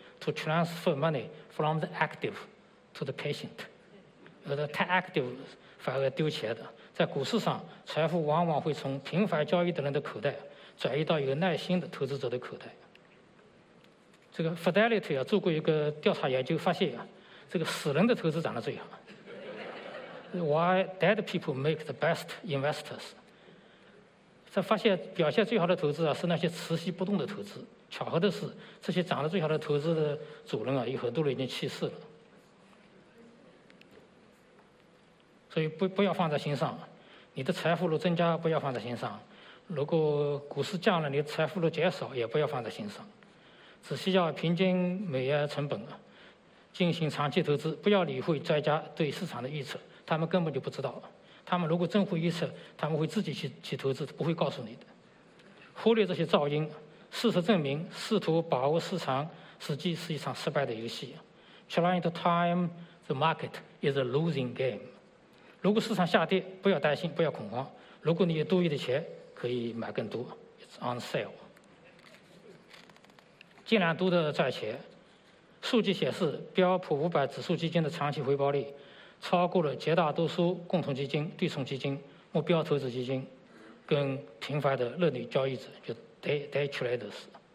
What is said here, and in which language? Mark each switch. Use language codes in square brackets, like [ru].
[en] to transfer money from the active to the patient. [zh] 有的太 active 反而丢钱的。在股市上，财富往往会从频繁交易的人的口袋转移到有耐心的投资者的口袋。这个 Fidelity 啊，做过一个调查研究，发现啊，这个死人的投资长得最好。 [en] Why dead people make the best investors？ [zh] 他发现表现最好的投资啊，是那些持续不动的投资。巧合的是，这些长得最好的投资的主人啊，有很多人已经去世了。所以不要放在心上，你的财富如增加不要放在心上，如果股市降了，你的财富如减少也不要放在心上，只需要平均每月成本进行长期投资，不要理会专家对市场的预测，他们根本就不知道，他们如果真会预测，他们会自己去投资，不会告诉你的。忽略这些噪音，事实证明试图把握市场实际是一场失败的游戏。 [en] Trying to time the market is a losing game。 [zh] 如果市场下跌，不要担心，不要恐慌。如果你有多余的钱，可以买更多。 [en] It's on sale。 [zh] 尽量多的赚钱。数据显示，标普五百指数基金的长期回报率超过了绝大多数共同基金、对冲基金、目标投资基金，跟频繁的热点交易者，就 day traders。